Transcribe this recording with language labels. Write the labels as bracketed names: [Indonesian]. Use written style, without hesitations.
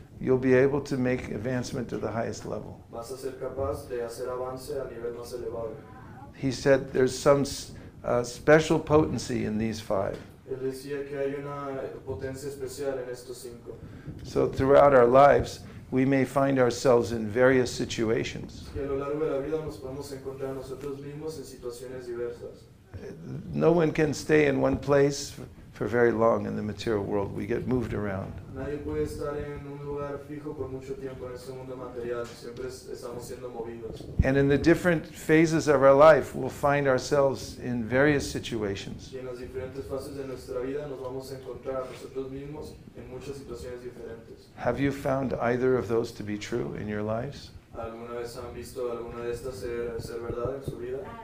[English] you'll be able to make advancement to the highest level. [Spanish] Vas a ser capaz de hacer avance a nivel más elevado. [English] He said there's some special potency in these five. [Spanish] Él decía que hay una potencia especial en estos cinco. [English] So throughout our lives, we may find ourselves in various situations. [Spanish] Que a lo largo de la vida nos podemos encontrar nosotros mismos en situaciones diversas. [English] No one can stay in one place for very long in the material world. We get moved around. [Spanish] Nadie puede estar en un lugar fijo por mucho tiempo en este mundo material. Siempre estamos siendo movidos. [English] And in the different phases of our life, we'll find ourselves in various situations. [Spanish] Y en las diferentes fases de nuestra vida nos vamos a encontrar a nosotros mismos en muchas situaciones diferentes. [English] Have you found either of those to be true in your lives? [Spanish] ¿Alguna vez han visto alguna de estas ser verdad en su vida?